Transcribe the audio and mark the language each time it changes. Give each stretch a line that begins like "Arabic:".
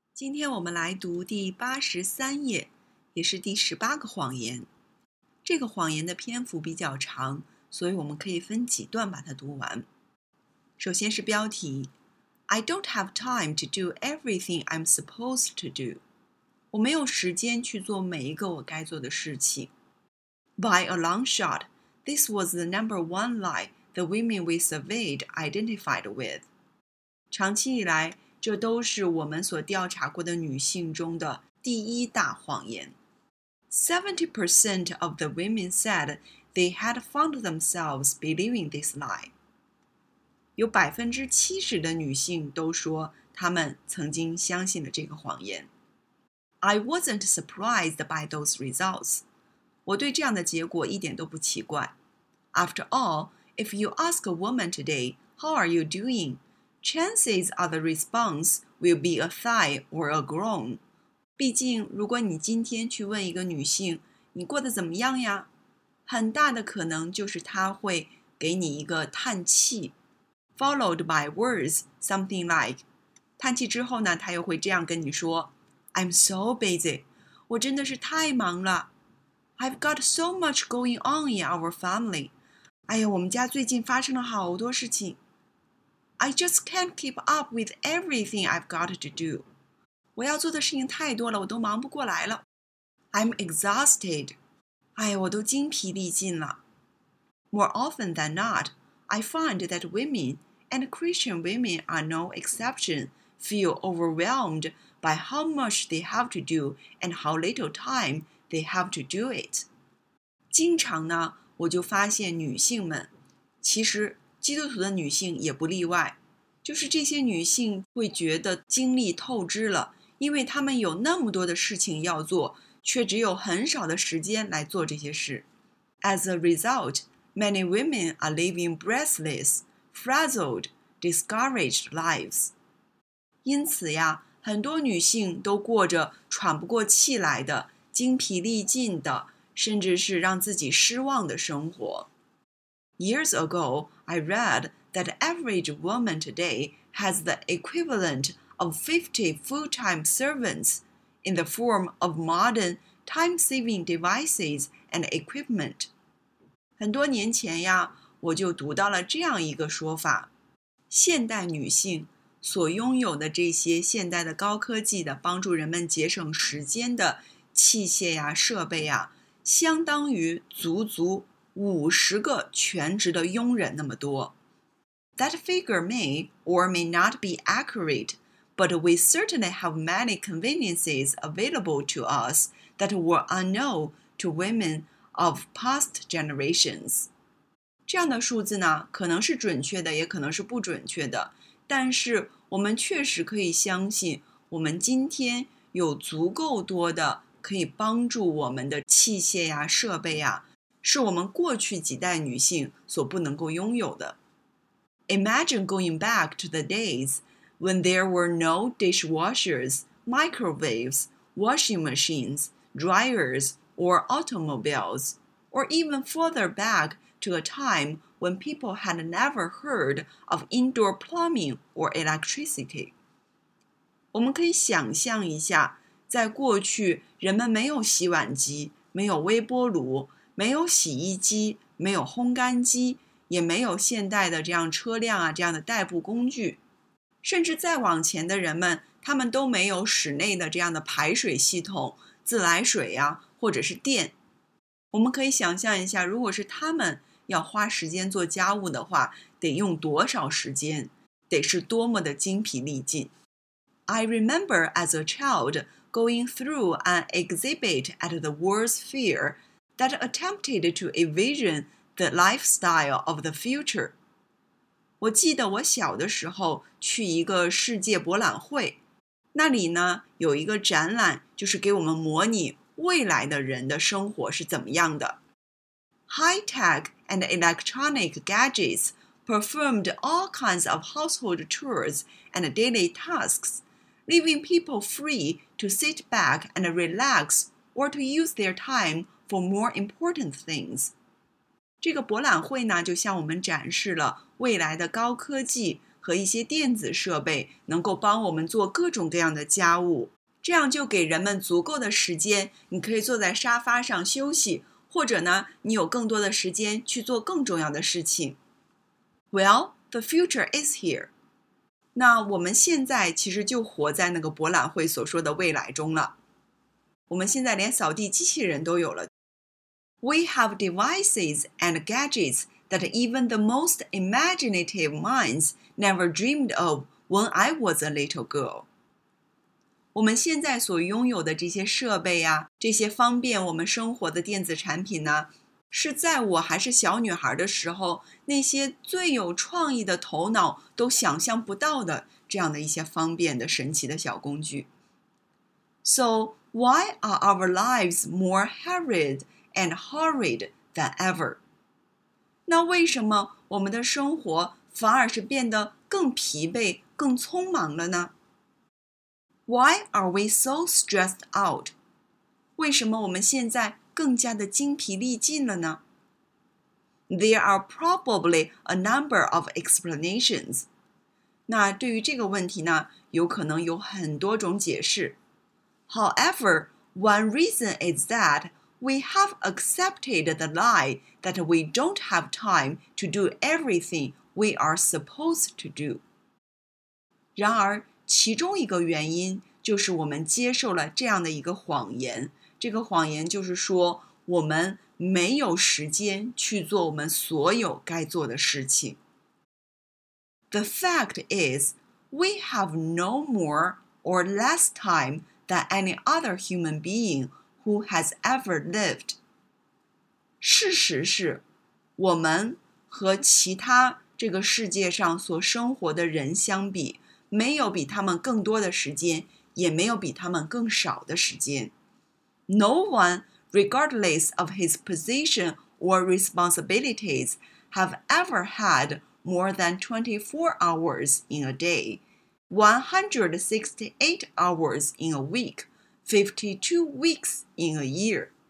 Chinese: 今天我们来读第83页，也是第18个谎言。这个谎言的篇幅比较长，所以我们可以分几段把它读完。首先是标题
English: I don't have time to do everything I'm supposed to do.
Chinese: 我没有时间去做每一个我该做的事情。
English: By a long shot, this was the number one lie the women we surveyed identified with.
Chinese: 长期以来，这都是我们所调查过的女性中的第一大谎言。
English: 70% of the women said they had found themselves believing this lie.
Chinese: 有70%的女性都说她们曾经相信了这个谎言。
English: I wasn't surprised by those results.
Chinese: 我对这样的结果一点都不奇怪。
English: After all, if you ask a woman today, how are you doing? Chances are the response will be a sigh or a groan.
Chinese: 毕竟如果你今天去问一个女性你过得怎么样呀，很大的可能就是她会给你一个叹气。
English: Followed by words, something like,
Chinese: 叹气之后呢，她又会这样跟你说
English: I'm so busy,
Chinese: 我真的是太忙了。
English: I've got so much going on in our family.
Chinese: 哎呀，我们家最近发生了好多事情。
English: I just can't keep up with everything I've got to do.
Chinese: 我要做的事情太多了，我都忙不过来了。
English: I'm exhausted.
Chinese: 哎呀，我都精疲力尽了。
English: More often than not, I find that women, and Christian women are no exception, feel overwhelmed by how much they have to do and how little time they have to do it.
Chinese: 经常呢，我就发现女性们，其实基督徒的女性也不例外，就是这些女性会觉得精力透支了，因为她们有那么多的事情要做，却只有很少的时间来做这些事。
English: As a result, many women are living breathless, frazzled, discouraged lives.
Chinese: 因此呀，很多女性都过着喘不过气来的、精疲力尽的，甚至是让自己失望的生活。
English: Years ago, I read that average woman today has the equivalent of 50 full-time servants in the form of modern time-saving devices and equipment.
Chinese: 很多年前呀，我就读到了这样一个说法，现代女性所拥有的这些现代的高科技的帮助人们节省时间的器械呀、设备呀，相当于足足50个全职的佣人那么多。
English: That figure may or may not be accurate, but we certainly have many conveniences available to us that were unknown to women of past generations.
Chinese: 这样的数字呢，可能是准确的，也可能是不准确的，但是我们确实可以相信，我们今天有足够多的可以帮助我们的器械呀、设备呀，是我们过去几代女性所不能够拥有的。
English: Imagine going back to the days when there were no dishwashers, microwaves, washing machines, dryers, or automobiles, or even further back to a time when people had never heard of indoor plumbing or electricity.
Chinese: 我们可以想象一下，在过去人们没有洗碗机，没有微波炉，没有洗衣机，没有烘干机，也没有现代的这样车辆啊，这样的代步工具。甚至再往前的人们，他们都没有室内的这样的排水系统，自来水呀、或者是电。我们可以想象一下，如果是他们要花时间做家务的话，得用多少时间，得是多么的精疲力尽。
English: I remember as a child going through an exhibit at the World's Fair,that attempted to envision the lifestyle of the future.
Chinese: 我记得我小的时候去一个世界博览会，那里呢有一个展览，就是给我们模拟未来的人的生活是怎么样的。
English: High-tech and electronic gadgets performed all kinds of household chores and daily tasks, leaving people free to sit back and relax or to use their timeFor more important things.
Chinese: 这个博览会呢，就向我们展示了未来的高科技和一些电子设备能够帮我们做各种各样的家务，这样就给人们足够的时间，你可以坐在沙发上休息，或者呢，你有更多的时间去做更重要的事情。
English: Well, the future is here.
Chinese: 那我们现在其实就活在那个博览会所说的未来中了。我们现在连扫地机器人都有了。
English: We have devices and gadgets that even the most imaginative minds never dreamed of when I was a little girl.
Chinese: 我们现在所拥有的这些设备啊，这些方便我们生活的电子产品呢，是在我还是小女孩的时候，那些最有创意的头脑都想象不到的这样的一些方便的神奇的小工具。
English: So, why are our lives more hurried and hurried than ever?
Chinese: 那为什么我们的生活反而是变得更疲惫、更匆忙了呢？
English: Why are we so stressed out?
Chinese: 为什么我们现在更加的精疲力尽了呢？
English: There are probably a number of explanations.
Chinese: 那对于这个问题呢，有可能有很多种解释。
English: However, one reason is that we have accepted the lie that we don't have time to do everything we are supposed to do.
Chinese: 然而其中一个原因就是我们接受了这样的一个谎言，这个谎言就是说我们没有时间去做我们所有该做的事情。
English: The fact is, we have no more or less time than any other human being who has ever lived.
Chinese: 事实是，我们和其他这个世界上所生活的人相比，没有比他们更多的时间，也没有比他们更少的时间。
English: No one, regardless of his position or responsibilities, have ever had more than 24 hours in a day, 168 hours in a week, 52 weeks in a year.